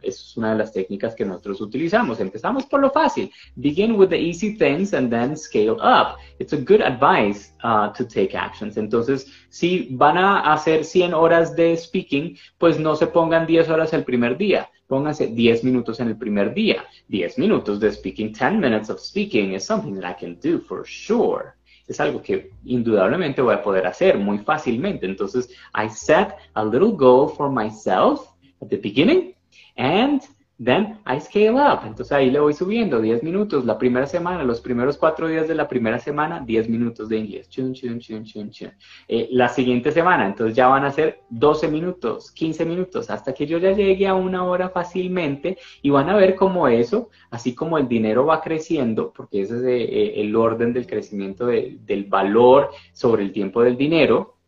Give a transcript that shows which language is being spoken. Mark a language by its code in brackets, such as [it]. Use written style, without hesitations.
[es] Es una de las técnicas que nosotros utilizamos. Empezamos por lo fácil. [en] Begin with the easy things and then scale up. It's a good advice to take actions. [es] Entonces, si van a hacer 100 horas de speaking, pues no se pongan 10 horas el primer día. Pónganse 10 minutos en el primer día. 10 minutos de speaking, [en] 10 minutes of speaking is something that I can do for sure. [es] Es algo que indudablemente voy a poder hacer muy fácilmente. [en] Entonces, I set a little goal for myself at the beginning and then I scale up. [es] Entonces, ahí le voy subiendo 10 minutos la primera semana, los primeros 4 días de la primera semana, 10 minutos de inglés. Chun, chun, chun, chun, chun. La siguiente semana, entonces ya van a ser 12 minutos, 15 minutos, hasta que yo ya llegue a 1 hora fácilmente y van a ver cómo eso, así como el dinero va creciendo, porque ese es el orden del crecimiento del valor sobre el tiempo del dinero.